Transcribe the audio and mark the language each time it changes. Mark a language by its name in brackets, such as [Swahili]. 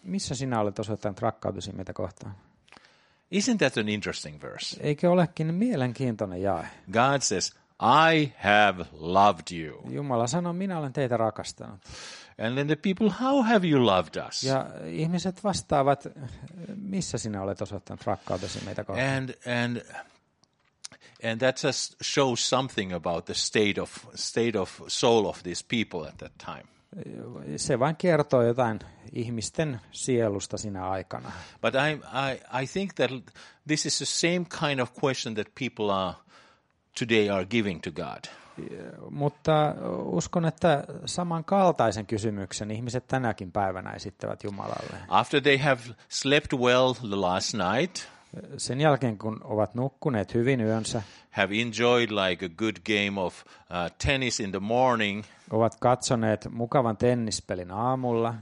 [Finnish] Missä sinä olet osoittanut rakkautesi meitä kohtaan? [English] Isn't that an interesting verse? [Finnish] Eikö olekin mielenkiintoinen jae? [English] God says, I have loved you. [Finnish] Jumala sanoo, minä olen teitä rakastanut. [English] And then the people, how have you loved us? [Finnish] Ja ihmiset vastaavat, missä sinä olet osoittanut rakkautesi meitä kohtaan? [English] And that just shows something about the state of soul of these people at that time. [Finnish] Se vain kertoo jotain ihmisten sielusta sinä aikana. [English] But I think that this is the same kind of question that people are today are giving to God. [Finnish] Mutta uskon, että samankaltaisen kysymyksen ihmiset tänäkin päivänä esittävät Jumalalle. [English] After they have slept well the last night. [Finnish] Sen jälkeen kun ovat nukkuneet hyvin yönsä, [English] have enjoyed like a good game of tennis in the morning, [Finnish] ovat katsoneet mukavan tennispelin aamulla,